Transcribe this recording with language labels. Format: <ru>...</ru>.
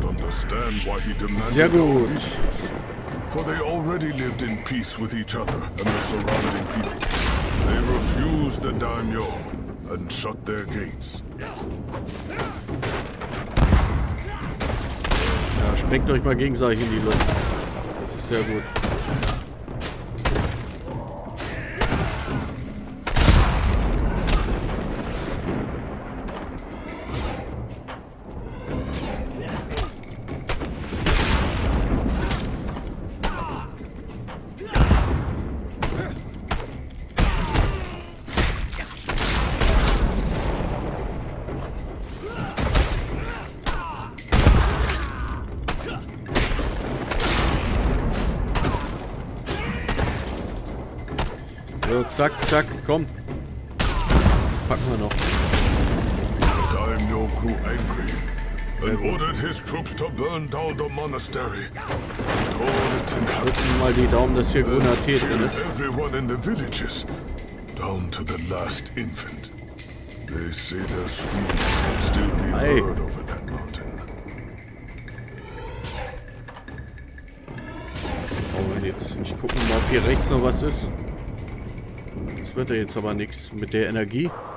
<de>Sehr gut.</de> <en>For they already lived in peace with each other and the surrounding people. They refused the daimyo and shut their gates.</en> <de>Ja, sprengt euch mal gegenseitig in die Luft. Das ist sehr gut. Zack, zack, komm. Packen wir noch.</de> <en>The Daimyo grew angry and ordered his troops to burn down the monastery.</en> <de>Drücken mal die Daumen, dass hier grüner Tee drin ist.</de> <en>Everyone in the villages, down to the last infant. They say their screams can still be heard over that mountain.</en> <de>Oh, und jetzt, ich guck mal, ob hier rechts noch was ist. Das wird ja jetzt aber nichts mit der Energie.</de>